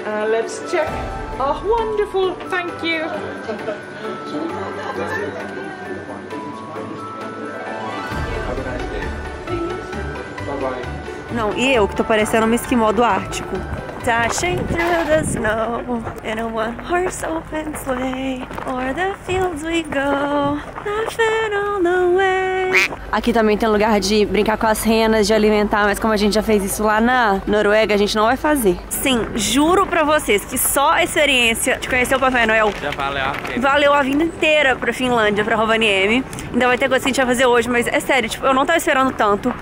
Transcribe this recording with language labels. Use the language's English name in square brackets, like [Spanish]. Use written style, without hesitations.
[English] Let's check. Oh, wonderful. Thank you. [Portuguese] Não, e eu que tô parecendo um esquimó do Ártico. [English] Dashing through the snow in a one-horse open sleigh. O'er the fields we go, laughing all the way. [Portuguese] Aqui também tem lugar de brincar com as renas, de alimentar, mas como a gente já fez isso lá na Noruega, a gente não vai fazer. Sim, juro pra vocês que só a experiência de conhecer o Papai Noel já valeu a pena. Valeu a vinda inteira pra Finlândia, pra Rovaniemi. Ainda vai ter coisa que a gente vai fazer hoje, mas é sério, tipo, eu não tava esperando tanto.